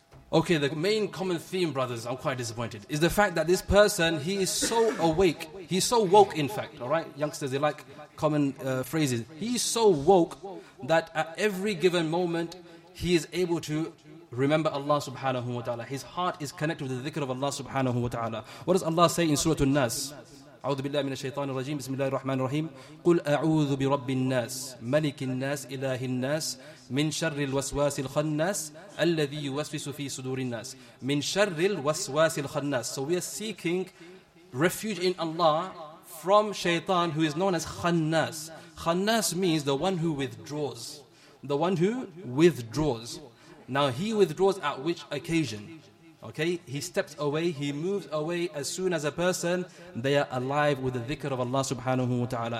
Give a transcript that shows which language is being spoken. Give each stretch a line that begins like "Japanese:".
English: Okay, the main common theme, brothers, I'm quite disappointed, is the fact that this person, he is so awake. He's so woke, in fact, all right? Youngsters, they like common phrases. He's so woke that at every given moment, he is able to remember Allah subhanahu wa ta'ala. His heart is connected with the dhikr of Allah subhanahu wa ta'ala. What does Allah say in Surah An-Nas?
Arabic: أعوذ بالله من الشيطان الرجيم بسم الله الرحمن الرحيم قل أعوذ برب الناس ملك الناس إله الناس من شر الوسواس الخناس الذي يوسوس في صدور الناس من شر الوسواس الخناس.
English: So we are seeking refuge in Allah from Shaytan, who is known as Khannas. Khannas means the one who withdraws. The one who withdraws. Now he withdraws at which occasion? Okay, he steps away, he moves away as soon as a person, they are alive with the dhikr of Allah subhanahu wa ta'ala.